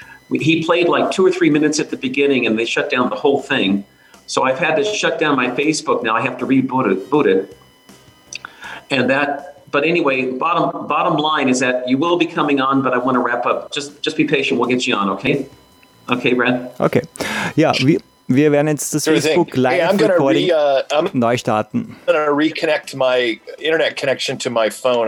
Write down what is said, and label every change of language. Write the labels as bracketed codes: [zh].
[en] He played like 2 or 3 minutes at the beginning, and they shut down the whole thing. So I've had to shut down my Facebook now. I have to reboot it. But anyway, bottom line is that you will be coming on, but I want to wrap up. Just be patient. We'll get you on, okay? Okay, Brad? Okay. [de] Yeah, wir werden jetzt das Facebook [en] live recording [de] neu starten. [en] I'm going to reconnect my internet connection to my phone.